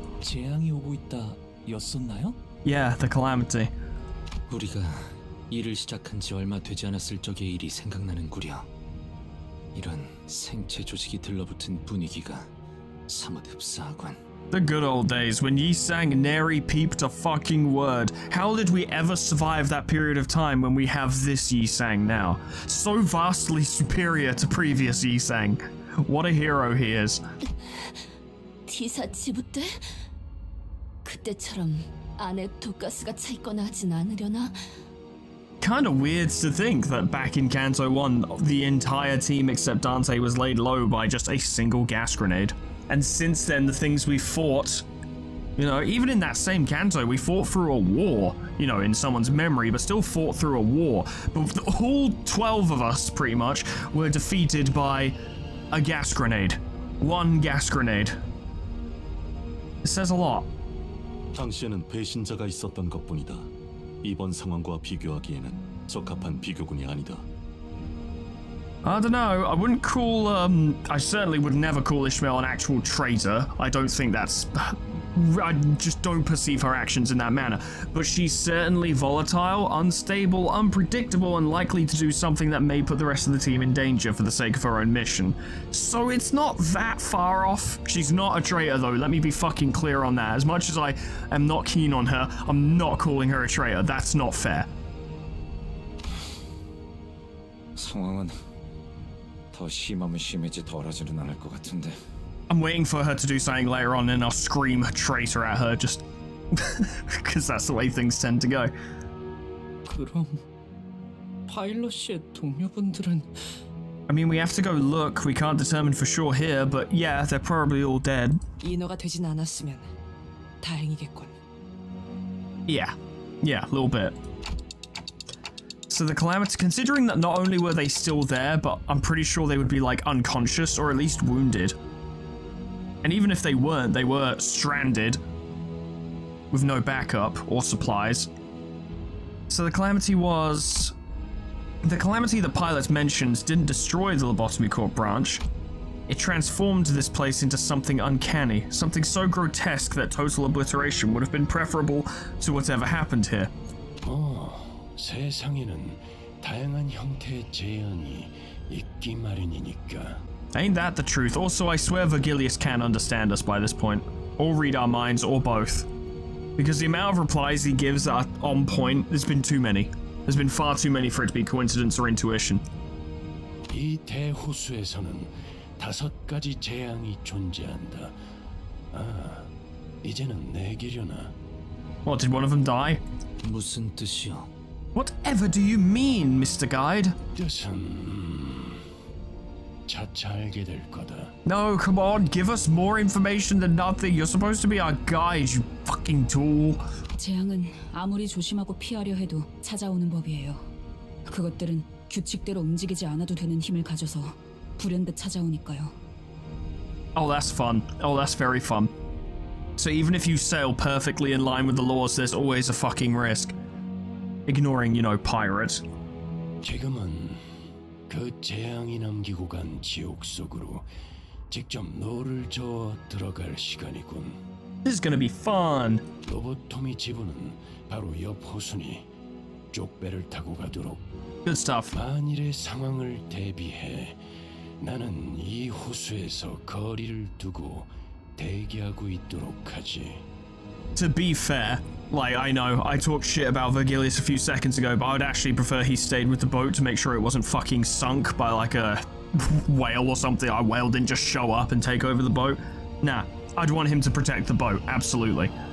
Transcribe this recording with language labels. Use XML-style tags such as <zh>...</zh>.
<ko>재앙이 오고 있다 였었나요?</ko> <en>Yeah, the calamity.</en> <ko>우리가 일을 시작한 지 얼마 되지 않았을 적의 일이 생각나는구려. 이런 생체 조직이 들러붙은 분위기가 사뭇 흡사하군.</ko> <en>The good old days when ye sang nary peeped a fucking word. How did we ever survive that period of time when we have this ye sang now? So vastly superior to previous ye sang. What a hero he is.</en> <ko>기사치부 때? 그때처럼 안에 독가스가 차 있거나 하진 않으려나?</ko> <en>Kinda weird to think that back in Kanto 1, the entire team except Dante was laid low by just a single gas grenade. And since then, the things we fought, you know, even in that same Kanto, we fought through a war, you know, in someone's memory, but still fought through a war. But all 12 of us, pretty much, were defeated by a gas grenade. One gas grenade. It says a lot.</en> <ko>당시에는 배신자가 있었던 것뿐이다. 이번 상황과 비교하기에는 적합한 비교군이 아니다.</ko> <en>I don't know, I wouldn't call, I certainly would never call Ishmael an actual traitor. I don't think that's... I just don't perceive her actions in that manner. But she's certainly volatile, unstable, unpredictable, and likely to do something that may put the rest of the team in danger for the sake of her own mission. So it's not that far off. She's not a traitor though, let me be fucking clear on that. As much as I am not keen on her, I'm not calling her a traitor. That's not fair.</en> <ko>상황은... 더 심하면 심했지 덜하지는 않을 것 같은데.</ko> <en>I'm waiting for her to do something later on and I'll scream traitor at her just because that's the way things tend to go.</en> <ko>그럼 파일럿 씨의 동료분들은...</ko> <en>I mean, we have to go look. We can't determine for sure here, but yeah, they're probably all dead.</en> <ko>인어가 되진 않았으면 다행이겠군.</ko> <en>Yeah. Yeah, a little bit. So the Calamity, considering that not only were they still there, but I'm pretty sure they would be like unconscious or at least wounded. And even if they weren't, they were stranded with no backup or supplies. So the Calamity was... The Calamity the pilot mentions didn't destroy the Lobotomy Corp branch. It transformed this place into something uncanny, something so grotesque that total obliteration would have been preferable to whatever happened here. Oh.</en> <ko>세상에는 다양한 형태의 재현이 있기 마련이니까.</ko> <en>Ain't that the truth? Also, I swear Virgilius can't understand us by this point. Or read our minds, or both. Because the amount of replies he gives are on point, there's been too many. There's been far too many for it to be coincidence or intuition.</en> <ko>이 대호수에서는 다섯 가지 재앙이 존재한다. 아, 이제는 내기려나.</ko> <en>What, did one of them die?</en> <ko>무슨 뜻이요?</ko> <en>Whatever do you mean, Mr. Guide?</en> <ko>뜻은... 차차 알게 될 거다.</ko> <en>No, come on, give us more information than nothing. You're supposed to be our guide, you fucking tool.</en> <ko>재앙은 아무리 조심하고 피하려 해도 찾아오는 법이에요. 그것들은 규칙대로 움직이지 않아도 되는 힘을 가져서 불현듯 찾아오니까요.</ko> <en>Oh, that's fun. Oh, that's very fun. So even if you sail perfectly in line with the laws, there's always a fucking risk. Ignoring, you know, pirates.</en> <ko>지금은 그 재앙이 남기고 간 지옥 속으로 직접 너를 저어 들어갈 시간이군.</ko> <en>This is gonna be fun.</en> <ko>로보토미 지부는 바로 옆 호수니 쪽배를 타고 가도록.</ko> <en>Good stuff.</en> <ko>만일의 상황을 대비해 나는 이 호수에서 거리를 두고 대기하고 있도록 하지.</ko> <en>To be fair, like, I know, I talked shit about Virgilius a few seconds ago, but I'd actually prefer he stayed with the boat to make sure it wasn't fucking sunk by, like, a whale or something. A whale didn't just show up and take over the boat. Nah, I'd want him to protect the boat, absolutely.</en>